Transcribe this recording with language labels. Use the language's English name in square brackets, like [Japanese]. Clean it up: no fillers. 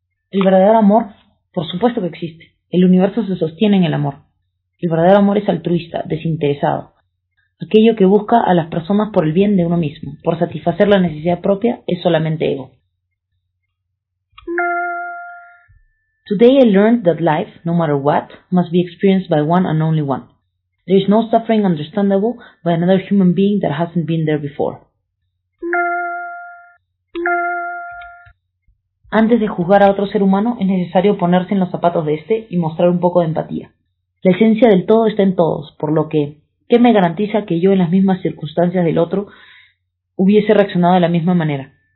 [Spanish] El verdadero amor, por supuesto que existe. El universo se sostiene en el amor. El verdadero amor es altruista, desinteresado. Aquello que busca a las personas por el bien de uno mismo, por satisfacer la necesidad propia, es solamente ego. [English] Today I learned that life, no matter what, must be experienced by one and only one. There is no suffering understandable by another human being that hasn't been there before. [Spanish] Antes de juzgar a otro ser humano, es necesario ponerse en los zapatos de este y mostrar un poco de empatía. La esencia del todo está en todos, por lo que, ¿qué me garantiza que yo en las mismas circunstancias del otro hubiese reaccionado de la misma manera?